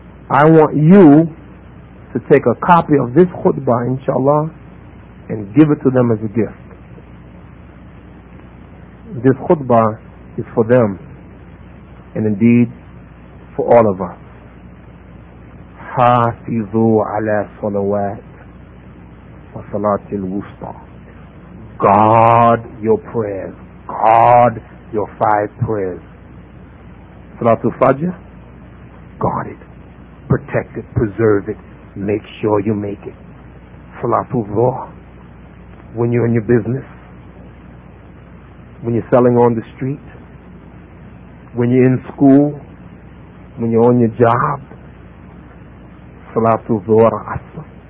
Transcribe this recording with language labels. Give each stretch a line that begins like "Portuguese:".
English: I want you to take a copy of this khutbah, inshallah, and give it to them as a gift. This khutbah is for them, and indeed for all of us.
Arabic: حافظوا على صلوات وصلاة الوسطى.
English: Guard your prayers. Guard your five prayers. Salatul Fajr, guard it. Protect it. Preserve it. Make sure you make it. Salatul Dhuhr, when you're in your business, when you're selling on the street, when you're in school, when you're on your job, Salatul Dhuhr Asr.